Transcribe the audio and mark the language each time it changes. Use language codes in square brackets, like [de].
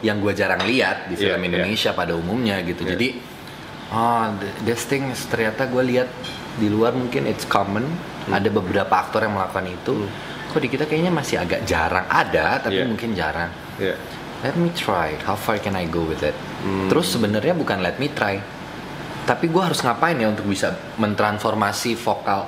[id] Yang gue jarang lihat di film Indonesia pada umumnya gitu. Jadi [en] this thing [id] ternyata gue lihat di luar mungkin [en] it's common. [id] Ada beberapa aktor yang melakukan itu. Kok di kita kayaknya masih agak jarang ada, tapi mungkin jarang. [en] Let me try, how far can I go with it? [id] Terus sebenarnya bukan [en] let me try, [id] tapi gue harus ngapain ya untuk bisa mentransformasi vokal.